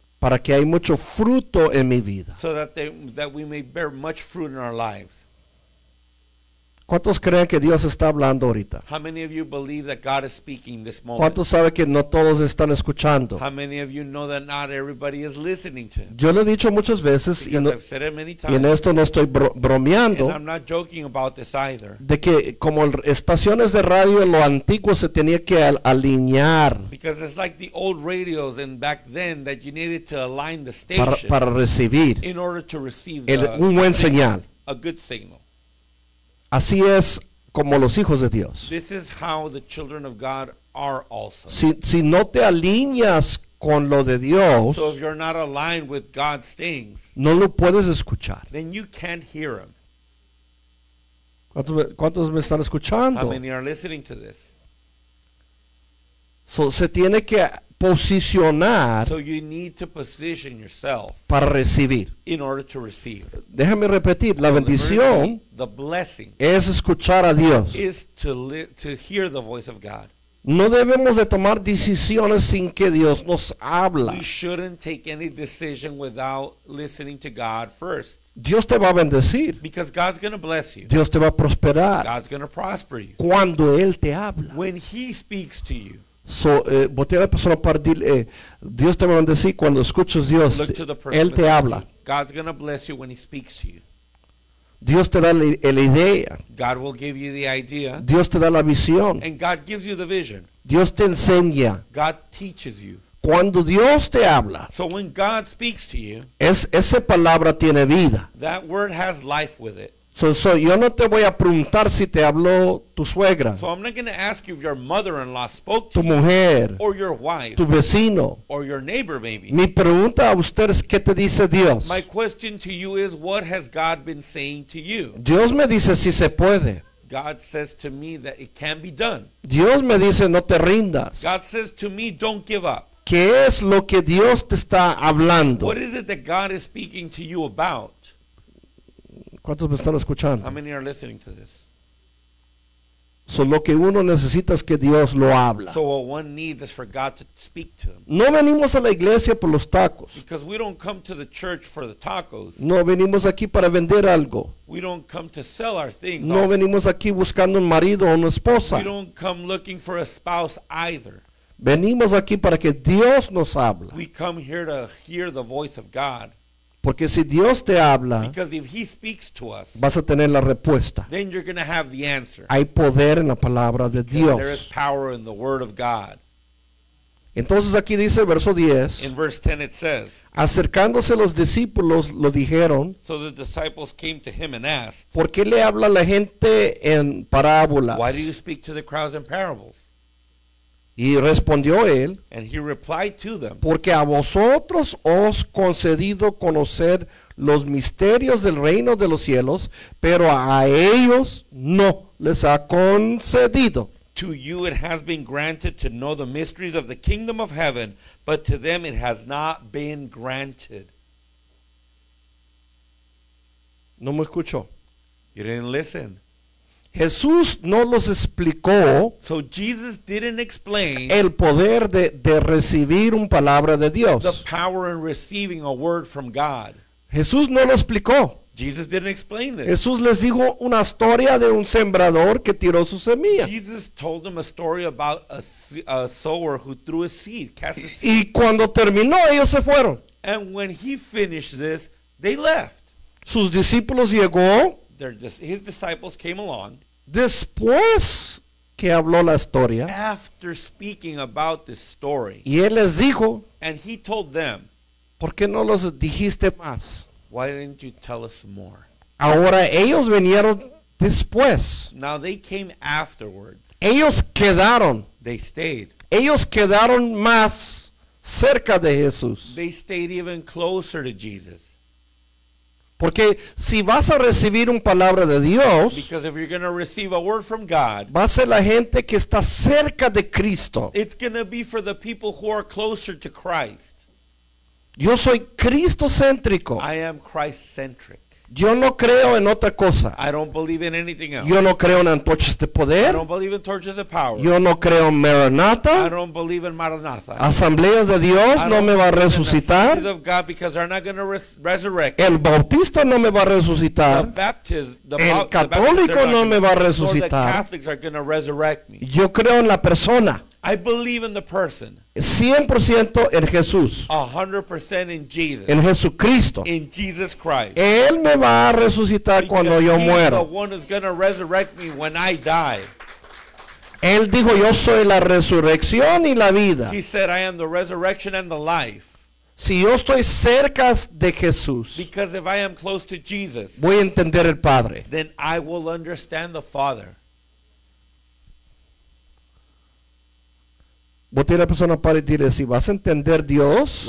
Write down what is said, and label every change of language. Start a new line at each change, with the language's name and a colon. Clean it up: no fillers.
Spanish: Para que hay mucho fruto en mi vida.
English: So that that we may bear much fruit in our lives.
Spanish: ¿Cuántos creen que Dios está hablando ahorita?
English: How many of you believe that God is speaking this moment?
Spanish: ¿Cuántos saben que no todos están escuchando?
English: How many of you know that not everybody is listening to him?
Spanish: Yo lo he dicho muchas veces y, no,
English: I've said it many times,
Spanish: y en esto no estoy bromeando.
English: And I'm not joking about this either.
Spanish: De que como estaciones de radio en lo antiguo se tenía que alinear.
English: Because it's like the old radios and back then that you needed to align the station.
Spanish: Para recibir.
English: In order to receive
Spanish: un buen signal.
English: A good signal.
Spanish: Así es como los hijos de Dios.
English: This is how the children of God are also.
Spanish: Si no te alineas con lo de Dios,
English: so if you're not aligned with God's things,
Spanish: no lo puedes escuchar.
English: Then you can't hear him.
Spanish: ¿Cuántos me están escuchando?
English: How many are listening to this?
Spanish: So se tiene que posicionar.
English: So you need to position yourself.
Spanish: Para recibir.
English: In order to receive.
Spanish: Déjame repetir. La bendición.
English: The blessing.
Spanish: Es escuchar a Dios.
English: Is to hear the voice of God.
Spanish: No debemos de tomar decisiones sin que Dios nos habla.
English: We shouldn't take any decision without listening to God first.
Spanish: Dios te va a bendecir.
English: Because God's going to bless you.
Spanish: Dios te va a prosperar.
English: God's going to prosper you.
Spanish: Cuando Él te habla.
English: When He speaks to you.
Spanish: So, voltea a la persona para decirle, Dios te va a bendecir cuando escuchas Dios. Él te habla.
English: God's going to bless you when he speaks to you.
Spanish: Dios te da la idea.
English: God will give you the idea.
Spanish: Dios te da la visión.
English: And God gives you the vision.
Spanish: Dios te enseña.
English: God teaches you.
Spanish: Cuando Dios te habla.
English: So when God speaks to you.
Spanish: Esa palabra tiene vida.
English: That word has life with it.
Spanish: So yo no te voy a preguntar si te habló tu suegra.
English: So I'm not going to ask you if your mother-in-law spoke to
Spanish: tu mujer,
English: you. Or your wife.
Spanish: Tu vecino.
English: Or your neighbor maybe.
Spanish: Mi pregunta a usted es ¿qué te dice Dios?
English: My question to you is what has God been saying to you?
Spanish: Dios me dice si se puede.
English: God says to me that it can be done.
Spanish: Dios me dice no te rindas.
English: God says to me don't give up.
Spanish: ¿Qué es lo que Dios te está hablando?
English: What is it that God is speaking to you about?
Spanish: ¿Cuántos me están escuchando?
English: How many are listening to this?
Spanish: So lo que uno necesita es que Dios lo habla.
English: So what one needs is for God to speak to him.
Spanish: No venimos a la iglesia por los tacos.
English: Because we don't come to the church for the tacos.
Spanish: No venimos aquí para vender algo.
English: We don't come to sell our things. No also.
Spanish: Venimos aquí buscando un marido o una esposa.
English: We don't come looking for a spouse either.
Spanish: Venimos aquí para que Dios nos habla.
English: We come here to hear the voice of God.
Spanish: Porque si Dios te habla,
English: because if he speaks to us,
Spanish: vas a tener la respuesta.
English: Then you're going to have the answer.
Spanish: Hay poder en la palabra de Dios.
English: There is power in the word of God.
Spanish: Entonces aquí dice verso 10.
English: In verse 10 it says.
Spanish: Acercándose los discípulos lo dijeron.
English: So the disciples came to him and asked.
Spanish: ¿Por qué le habla la gente en parábolas?
English: Why do you speak to the crowds in parables?
Spanish: Y respondió él,
English: and he replied to them,
Spanish: porque a vosotros os concedido conocer los misterios del reino de los cielos, pero a ellos no les ha concedido.
English: To you it has been granted to know the mysteries of the kingdom of heaven, but to them it has not been granted.
Spanish: No me escuchó.
English: You didn't listen.
Spanish: Jesús no los explicó.
English: So Jesus didn't explain
Spanish: el poder de recibir una palabra de Dios.
English: The power in receiving a word from God.
Spanish: Jesús no lo explicó.
English: Jesus didn't explain this.
Spanish: Jesús les dijo una historia de un sembrador que tiró su semilla.
English: Jesus told them a story about a sower who threw a seed, cast a seed.
Spanish: Y cuando terminó ellos se fueron.
English: And when he finished this, they left.
Spanish: Sus discípulos llegó.
English: His disciples came along.
Spanish: Después que habló la historia.
English: After speaking about this story.
Spanish: Y él les dijo.
English: And he told them.
Spanish: ¿Por qué no los dijiste más?
English: Why didn't you tell us more?
Spanish: Ahora ellos vinieron después.
English: Now they came afterwards.
Spanish: Ellos quedaron.
English: They stayed.
Spanish: Ellos quedaron más cerca de Jesús.
English: They stayed even closer to Jesus.
Spanish: Porque si vas a recibir una palabra de Dios,
English: because if you're going to receive a word from God,
Spanish: va a ser la gente que está cerca de Cristo.
English: It's going to be for the people who are closer to Christ.
Spanish: Yo soy cristocéntrico.
English: I am Christ-centric.
Spanish: Yo no creo en otra cosa.
English: I don't believe in anything else.
Spanish: Yo no creo en antorchas de poder.
English: I don't believe in torches of power.
Spanish: Yo no creo en Maranatha.
English: I don't believe in Maranatha.
Spanish: Asambleas de Dios no me va a resucitar.
English: Assemblies of God, because they're not going to resurrect.
Spanish: El bautista no me va a resucitar. El católico no me va a resucitar.
English: The Catholics are going to resurrect me.
Spanish: Yo creo en la persona.
English: I believe in the person.
Spanish: 100% en Jesús.
English: 100% in Jesus.
Spanish: En Jesucristo.
English: In Jesus Christ.
Spanish: Él me va a resucitar
English: because
Spanish: cuando yo muero.
English: He is the one who's going to resurrect me when I die.
Spanish: Él dijo, yo soy la resurrección y la vida.
English: He said, I am the resurrection and the life.
Spanish: Si yo estoy cerca de Jesús,
English: because if I am close to Jesus,
Spanish: voy a entender el Padre.
English: Then I will understand the Father.
Spanish: Voltea a la persona para decirle, si vas a entender Dios,